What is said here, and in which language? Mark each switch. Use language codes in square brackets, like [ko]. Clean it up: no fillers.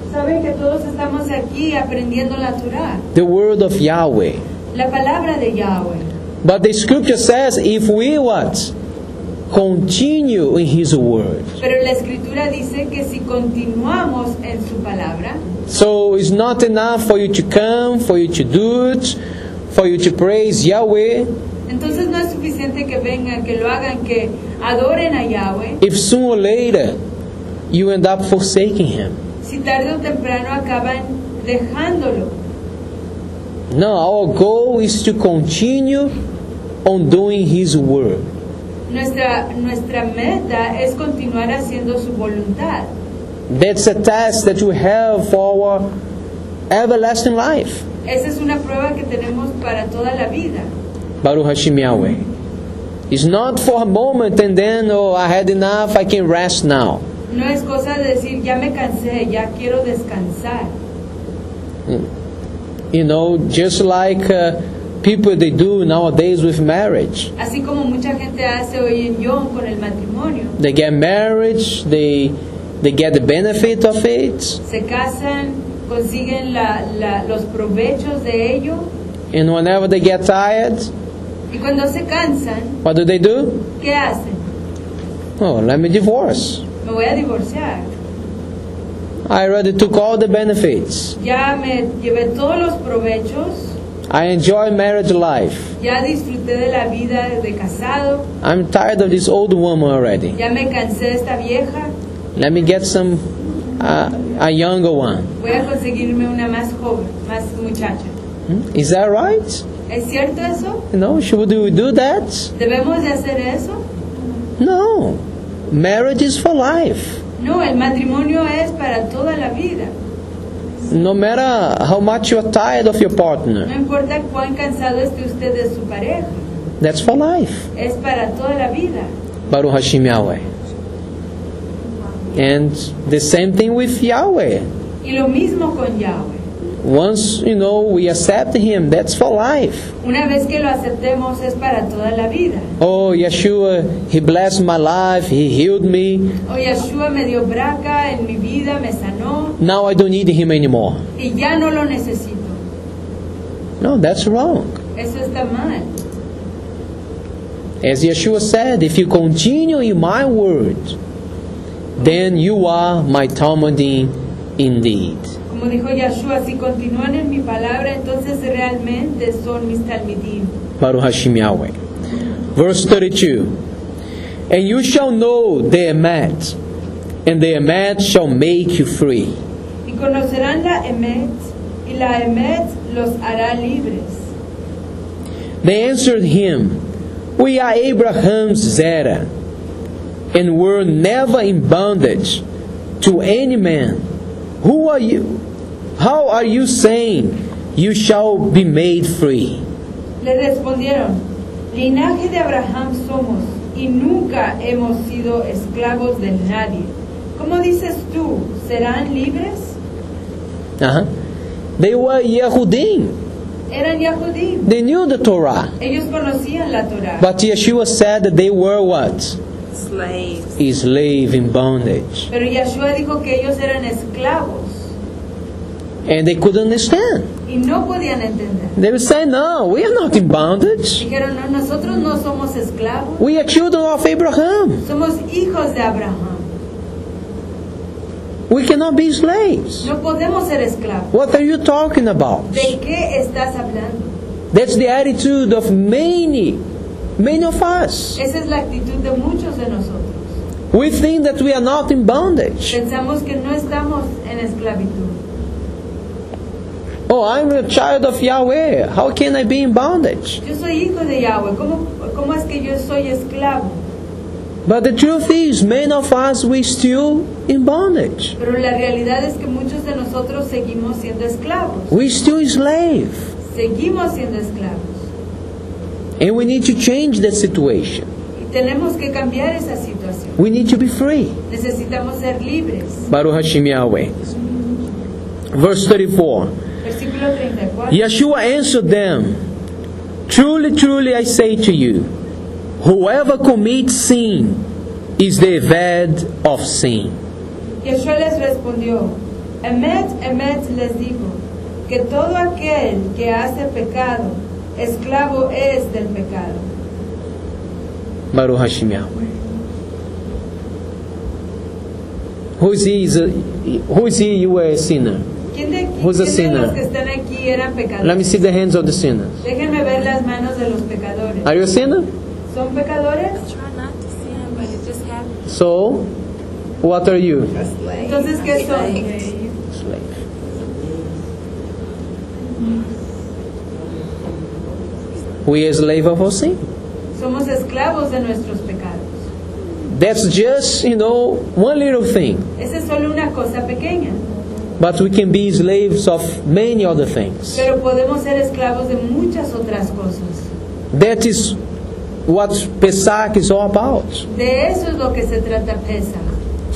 [es] Saben que todos estamos aquí aprendiendo la Torah. [en] The word of Yahweh. [es] La palabra de Yahweh. [en] But the scripture says if we what? Continue in his word. [es] Pero la escritura dice que si continuamos en su palabra. [en] So it's not enough for you to come, for you to do it, for you to praise Yahweh. [es] Entonces no es suficiente que vengan, que lo hagan, que adoren a Yahweh. [en] If sooner or later you end up forsaking him. [es] Si tarde o temprano acaban dejándolo. [en] No, our goal is to continue on doing his word. [es] Nuestra meta es continuar haciendo su voluntad. [en] That's a test that we have for our everlasting life. [es] Esa es una prueba que tenemos para toda la vida. [he] Baruch Hashem Yahweh. [en] It's not for a moment and then, "Oh, I had enough, I can rest now." [es] No es cosa de decir, "Ya me cansé, ya quiero descansar." [en] You know, just like people they do nowadays with marriage. [es] Así como mucha gente hace hoy en Yom con el matrimonio. [en] They get married, they get the benefit of it. [es] Se casan, consiguen los provechos de ello. [en] And whenever they get tired, [es] y cuando se cansan, [en] what do they do? [es] ¿Qué hacen? [en] "Oh, let me divorce. [es] Me voy a divorciar. [en] I already took all the benefits. [es] Ya me llevé todos los provechos. [en] I enjoy marriage life. [es] Ya disfruté de la vida de casado. [en] I'm tired of this old woman already. [es] Ya me cansé de esta vieja. [en] Let me get some a younger one." [es] Voy a conseguirme una más joven, más muchacha. [en] Is that right? [es] ¿Es cierto eso? [en] No, should we do that? [es] ¿Debemos de hacer eso? [en] No. Marriage is for life. [es] No, el matrimonio es para toda la vida. [en] No matter how much you are tired of your partner. [es] No importa cuán cansado esté usted de su pareja. [en] That's for life. [es] Es para toda la vida. [he] Baruch Hashem Yahweh. [en] And the same thing with Yahweh. [es] Y lo mismo con Yahweh. [en] Once, you know, we accept Him, that's for life. [es] Una vez que lo aceptemos, es para toda la vida. [en] Oh, Yeshua, He blessed my life, He healed me. [es] Oh, Yeshua me dio braca en mi vida, me sanó. [en] Now I don't need Him anymore. [es] Y ya no lo necesito. [en] No, that's wrong. [es] Eso está mal. [en] As Yeshua said, if you continue in my word, then you are my Talmudim indeed. [es] Como dijo Yeshua, si continúan en mi palabra, entonces realmente son mis Talmudim. [he] Baruch Hashem Yahweh. [en] Verse 32. And you shall know the Emet, and the Emet shall make you free. [es] Y conocerán la Emet, y la Emet los hará libres. [en] They answered him, we are Abraham's Zera, and were never in bondage to any man. Who are you? How are you saying you shall be made free? [es] Le respondieron, linaje de Abraham somos, y nunca hemos sido esclavos de nadie. ¿Cómo dices tú, serán libres? [en] They were Yehudim. [es] Eran Yehudim. [en] They knew the Torah. [es] Ellos conocían la Torah. [en] But Yeshua said that they were what? Slaves. Slave in bondage. [es] Pero Yeshua dijo que ellos eran esclavos. [en] And they couldn't understand. [es] Y no podían entender. [en] They would say, no, we are not in bondage. [es] Dijeron, no, nosotros no somos esclavos. [en] We are children of Abraham. [es] Somos hijos de Abraham. [en] We cannot be slaves. [es] No podemos ser esclavos. [en] What are you talking about? [es] ¿De qué estás hablando? [en] That's the attitude of many. Many of us. [es] Esa es la actitud de muchos de nosotros. [en] We think that we are not in bondage. [es] Pensamos que no estamos en esclavitud. [en] Oh, I'm a child of Yahweh. How can I be in bondage? [es] Yo soy hijo de Yahweh. ¿Cómo es que yo soy esclavo? [en] But the truth is, many of us, we still in bondage. [es] Pero la realidad es que muchos de nosotros seguimos siendo esclavos. [en] We still slave. [es] Seguimos siendo esclavos. [en] And we need to change the situation. [es] Y tenemos que cambiar esa situación. [en] We need to be free. [es] Necesitamos ser libres. [he] Baruch Hashem Yahweh. [en] Verse 34. [es] Versículo 34. [en] Yeshua answered them, truly, truly, I say to you, whoever commits sin is the Eved of sin. [es] Yeshua les respondió, Emet, Emet, les digo, que todo aquel que hace pecado, esclavo es del pecado. [he] Baruch Hashem Yahweh. [en] Who is he? You were a sinner. [es] ¿Quién de aquí? [en] Who's a sinner? [es] Los que están aquí eran pecadores. [en] Let me see the hands of the sinners. [es] Déjenme ver las manos de los pecadores. [en] Are you a sinner? [es] ¿Son pecadores? [en] I try not to sin, but it just happens. So, what are you? A slave. [es] Entonces, ¿qué son? [en] Slave. We are slaves of our sin. [es] Somos esclavos de nuestros pecados. [en] That's just, you know, one little thing. [es] Esa es solo una cosa pequeña. [en] But we can be slaves of many other things. [es] Pero podemos ser esclavos de muchas otras cosas. [en] That is what Pesach is all about. [es] De eso es lo que se trata Pesach.